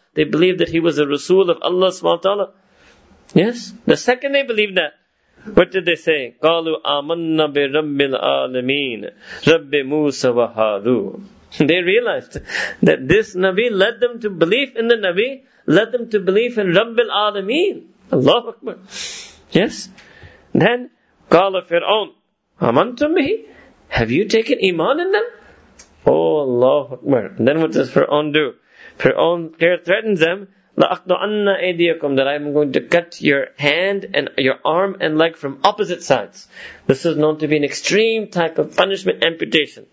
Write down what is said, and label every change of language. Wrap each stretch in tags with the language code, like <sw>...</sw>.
<en>They believed that he was a Rasul of Allah subhanahu wa ta'ala. Yes, the second they believed that, what did they say?</en> <ar>قَالُوا آمَنَّ بِرَبِّ الْعَالَمِينَ رَبِّ مُوسَى وَهَارُونَ.</ar> <en>They realized that this Nabi led them to believe in the Nabi, led them to believe in</en> <ar>رَبِّ الْعَالَمِينَ.</ar> <en>Allahu Akbar. Yes? Then,</en> <ar>قَالَ فِرْعَوْنَ آمَنْتُمْ بِهِ.</ar> <en>Have you taken iman in them? Oh, Allahu Akbar. Then what does Fir'aun do? Fir'aun here threatens them,</en> <ar>لَأَقْنُعَنَّ أَيْدِيَكُمْ,</ar> <en>that I am going to cut your hand and your arm and leg from opposite sides. This is known to be an extreme type of punishment, amputation.</en>